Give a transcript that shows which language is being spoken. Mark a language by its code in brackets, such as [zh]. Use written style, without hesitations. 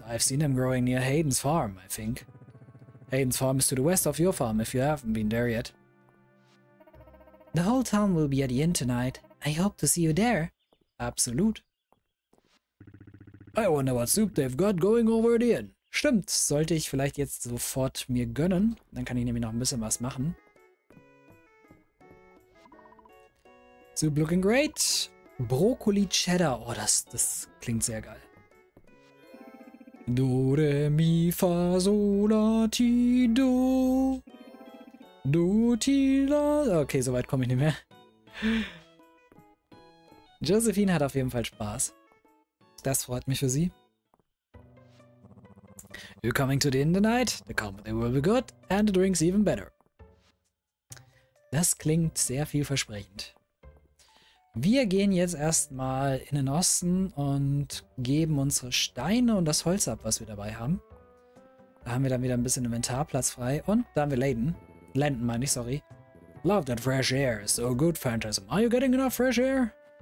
[en] I've seen them growing near Hayden's farm, I think. Hayden's farm is to the west of your farm, if you haven't been there yet. The whole town will be at the inn tonight. I hope to see you there. [de] Absolut. [en] I wonder what soup they've got going over the inn. [de] Stimmt, sollte ich vielleicht jetzt sofort mir gönnen. Dann kann ich nämlich noch ein bisschen was machen. [en] Soup looking great. [de] Brokkoli Cheddar. Oh, das klingt sehr geil. Do, re, mi, fa, sol, la, ti, do. Do, ti, la. Okay, soweit komme ich nicht mehr. Josephine hat auf jeden Fall Spaß. Das freut mich für sie. [en] You're coming to the inn tonight. The company will be good and the drinks even better. [de] Das klingt sehr vielversprechend. Wir gehen jetzt erstmal in den Osten und geben unsere Steine und das Holz ab, was wir dabei haben. Da haben wir dann wieder ein bisschen Inventarplatz frei und da haben wir Lenden meine ich, sorry. [en] Love that fresh air. So good, Phantasm. Are you getting enough fresh air?